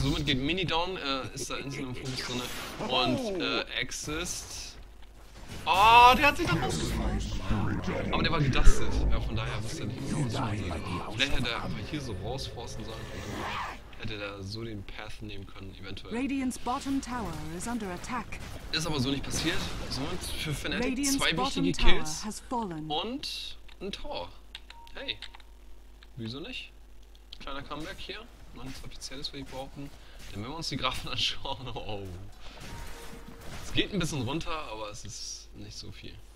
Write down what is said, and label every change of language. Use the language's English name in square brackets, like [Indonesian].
[German] Somit geht Mini down, ist da Insel im Fokus drin. Und Exist. Oh, der hat sich da rausgeforst. Aber der war gedustet. Ja, von daher wusste er nicht, was man sagen. Vielleicht hätte er einfach hier so rausforsten sollen. Hätte er so den Path nehmen können, eventuell. [English] Radiant's bottom tower is under attack. [German] Ist aber so nicht passiert. Somit für Fnatic zwei wichtige Kills [English] has fallen. [German] Und ein Tor. Hey, wieso nicht? Kleiner Comeback hier. Noch nichts Offizielles, würde ich behaupten. Denn wenn wir uns die Grafen anschauen, oh. Es geht ein bisschen runter, aber es ist nicht so viel.